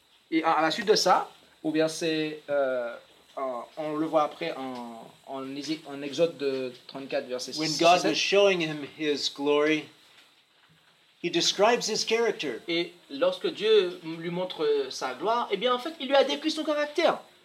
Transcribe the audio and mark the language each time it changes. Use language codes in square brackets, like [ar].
[fr] et à la suite de ça, ou bien c'est, on le voit après en Exode 34, verset 6. [en] When God was showing him his glory, he describes his character. [fr] Et lorsque Dieu lui montre sa gloire, eh bien en fait, il lui a décrit son caractère.